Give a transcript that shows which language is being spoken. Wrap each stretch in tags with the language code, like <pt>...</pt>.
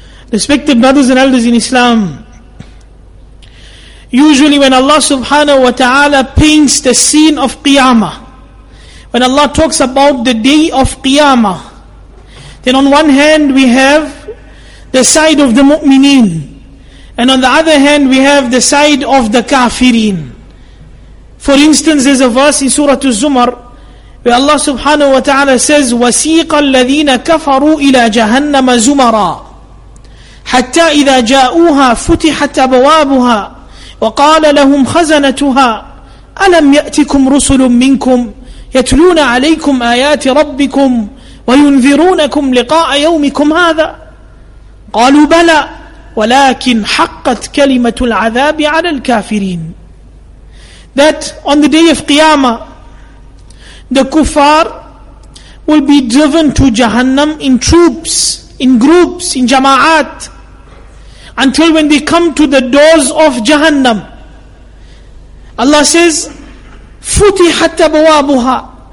<en>Respected brothers and elders in Islam, usually when Allah subhanahu wa ta'ala paints the scene of Qiyamah, when Allah talks about the day of Qiyamah, then on one hand we have the side of the mu'mineen, and on the other hand we have the side of the kafirin. For instance, there's a verse in Surah Az-Zumar where Allah subhanahu wa ta'ala says,</en> <ar>وَسِيقَ الَّذِينَ كَفَرُوا إِلَىٰ جَهَنَّمَ زُمَرًا حَتَّى إِذَا جَاءُوهَا فُتِحَتْ أَبْوَابُهَا وَقَالَ لَهُمْ خَزَنَتُهَا أَلَمْ يَأْتِكُمْ رُسُلٌ مِّنْكُمْ يَتْلُونَ عَلَيْكُمْ آيَاتِ رَبِّكُمْ وَيُنذِرُونَكُمْ لِقَاءَ يَوْمِكُمْ هَذَا قَالُوا بَلَىٰ وَلَكِنْ حَقَّتْ كَلِمَةُ الْعَذَابِ عَلَى الْكَافِرِينَ.</ar> <en>That on the day of Qiyamah, the kuffar will be driven to Jahannam in troops, in groups, in jama'at, until when they come to the doors of Jahannam, Allah says,</en> <ar>"Futihat abwabuha."</ar>